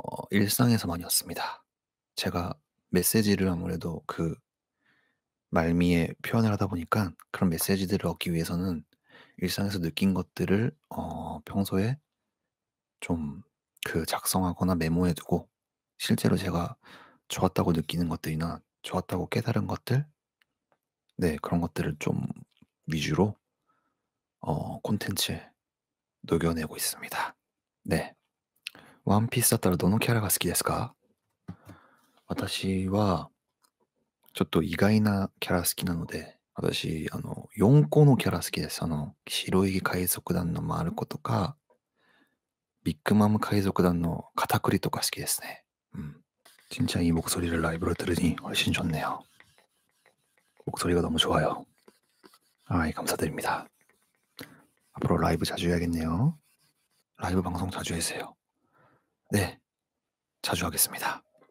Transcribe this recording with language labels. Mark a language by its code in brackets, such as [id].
[ko] 일상에서 많이 왔습니다. 제가 메시지를 아무래도 그 말미에 표현을 하다 보니까 그런 메시지들을 얻기 위해서는 일상에서 느낀 것들을 평소에 좀 그 작성하거나 메모해 두고 실제로 제가 좋았다고 느끼는 것들이나 좋았다고 깨달은 것들, 네, 그런 것들을 좀 위주로 콘텐츠에 녹여내고 있습니다. 네, 원피스 [ja] だったら どのキャラが好きですか? 私は ちょっと 意外な キャラ好きなので 私 4個のキャラ好きです。白い海賊団の マルコとか ビッグマム海賊団の カタクリとか好きですね。 [ko] 진짜 이 목소리를 라이브로 들으니 훨씬 좋네요. 목소리가 너무 좋아요. 아이, 감사드립니다. 앞으로 라이브 자주 해야겠네요. 라이브 방송 자주 해주세요. 네, 자주 하겠습니다.